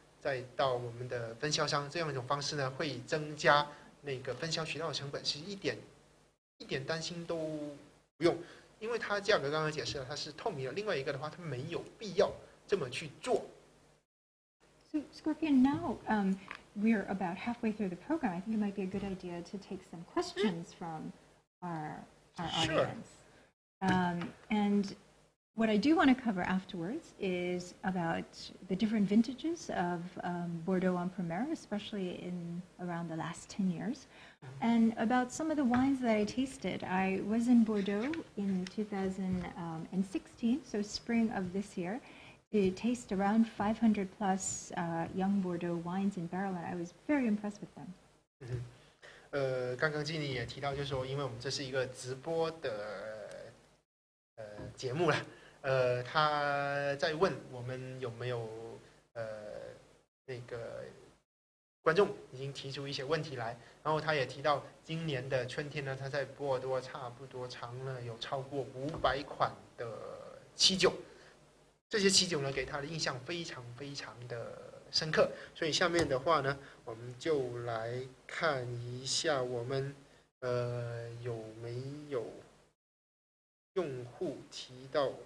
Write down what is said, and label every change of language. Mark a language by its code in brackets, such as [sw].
[zh] 再到我们的分销商这样一种方式呢，会增加那个分销渠道的成本，其实一点担心都不用，因为它价格刚刚解释了，它是透明的。另外一个的话，它没有必要这么去做。 [en] So Scorpion, now we are about halfway through the program. I think it might be a good idea to take some questions from our audience. Sure. And. What I do want to cover afterwards is about the different vintages of Bordeaux en premier, especially in around the last 10 years, and about some of the wines that I tasted. I was in Bordeaux in 2016, so spring of this year, to taste around 500 plus young Bordeaux wines in barrel, and I was very impressed with them. [zh] 刚刚经理也提到，就是说，因为我们这是一个直播的节目了。他在问我们有没有那个观众已经提出一些问题来，然后他也提到今年的春天呢，他在波尔多差不多尝了有超过500款的七酒，这些七酒呢给他的印象非常非常的深刻，所以下面的话呢，我们就来看一下我们有没有用户提到。